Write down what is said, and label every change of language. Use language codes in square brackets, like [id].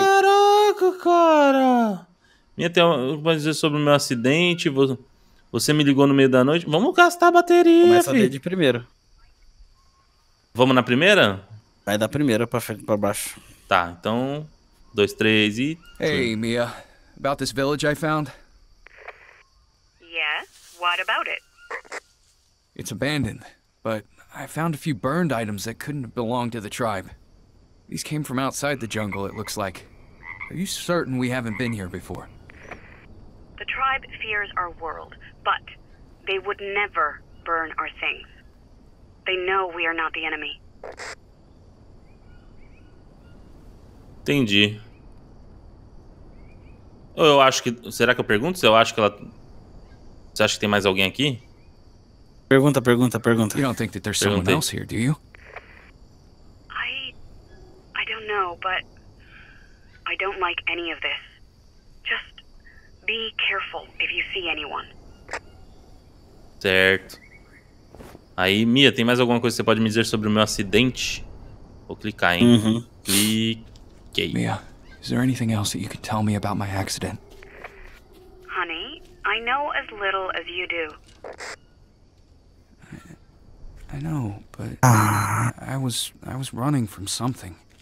[pt] Caraca, cara. Minha, tem uma dizer sobre o meu acidente. Você me ligou no meio da noite. Vamos gastar a bateria. Começa filho. A de primeiro. Vamos na primeira? Vai da primeira pra frente, pra baixo. Tá, então, 2, 3 e... [en] Hey, Mia. About this village I found? Yeah, what about it? It's abandoned, but I found a few burned items that couldn't belong to the tribe. These came from outside the jungle, it looks like. Are you certain we haven't been here before? The tribe fears our world, but they would never burn our things. They know we are not the enemy. [pt] Entendi. Eu acho que... Será que eu pergunto? Eu acho que ela... Você acha que tem mais alguém aqui? Pergunta. [en] You don't think that there's someone else here, do you? No, but I don't like any of this. Just be careful if you see anyone. [pt] Certo. Aí, Mia, tem mais alguma coisa que você pode me dizer sobre o meu acidente? Vou clicar, hein? Uhum. Cliquei. [en] Mia, is there anything else that you could tell me about my accident? Honey, I know as little as you do. I know, but I was running from something.